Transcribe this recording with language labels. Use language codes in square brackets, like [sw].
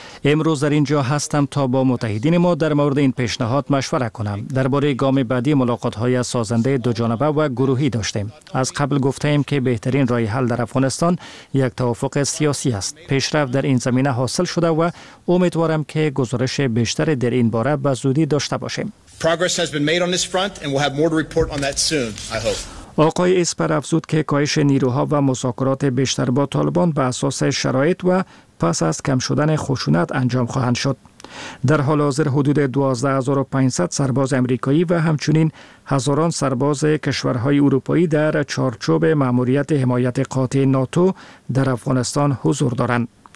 [fa] امروز در اینجا هستم تا با متحدین ما در مورد این پیشنهاد مشوره کنم. درباره گام بعدی ملاقات‌های سازنده دو جانبه و گروهی داشتیم. از قبل گفتیم که بهترین راه حل در افغانستان یک توافق سیاسی است. پیشرفت در این زمینه حاصل شده و امیدوارم که گزارش بیشتر در این باره به زودی داشته باشیم. [en] Progress has been made on this front and we'll have more to report on that soon, I hope. [fa] آقای اسپر افزود که کاهش نیروها و مذاکرات بیشتر با طالبان به اساس شرایط و پس از کم شدن خشونت انجام خواهند شد. در حال حاضر حدود 12500 سرباز آمریکایی و همچنین هزاران سرباز کشورهای اروپایی در چارچوب ماموریت حمایت قاطع ناتو در افغانستان حضور دارند.